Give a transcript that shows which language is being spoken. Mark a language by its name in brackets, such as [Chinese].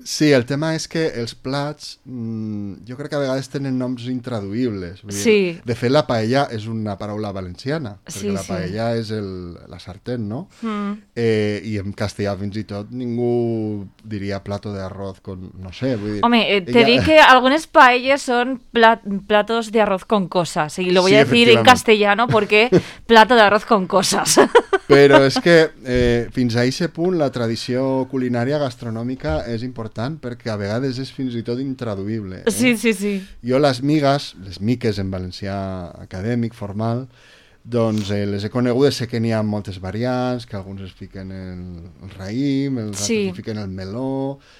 [Catalan] Sí, el tema és que els plats, jo crec que a vegades tenen noms intraduïbles. Sí. De fet, la paella és una paraula valenciana, perquè la paella és la sartén, no? I en castellà, fins i tot, ningú diria [Spanish] plato de arroz con, [Catalan] no sé, vull dir... Home, dic que algunes paelles són [Spanish] platos de arroz con cosas, y lo voy a decir en castellano porque plato de arroz con cosas. [Catalan] Però és que fins a aquest punt la tradició culinària gastronòmica és important perquè a vegades és fins i tot intraduïble. Sí, sí, sí. Jo les migues, les miques en valencià acadèmic, formal, doncs les he conegudes, sé que n'hi ha moltes variants, que alguns es fiquen el raïm, els altres es fiquen el meló...